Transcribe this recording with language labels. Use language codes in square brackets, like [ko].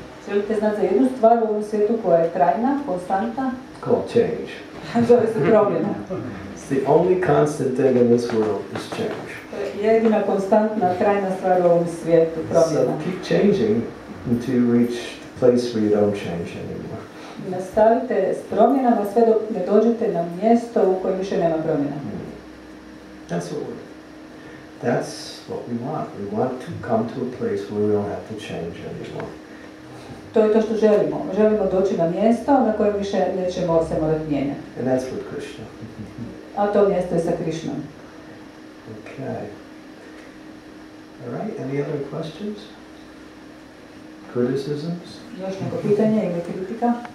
[hr] Želite znati za jednu stvar u ovom svijetu koja je trajna, konstanta? [en] Called change. [hr] Zove se promjena. [en] It's the only constant thing in this world is change. [hr] Jedina konstantna, trajna stvar u ovom svijetu, promjena. [en] So keep changing until you reach the place where you don't change anymore. [hr] Nastavite s promjenama sve dok ne dođete na mjesto u kojem više nema promjena. [en] That's what we want. We want to come to a place where we don't have to change anymore. [hr] To je to što želimo. Želimo doći na mjesto na kojem više nećemo se morati mijenjati. [en] And that's with Krishna. [hr] A to mjesto je sa Krishnom. [en] Okay. All right, any other questions? Criticisms? [hr] Još neko pitanje ili kritika?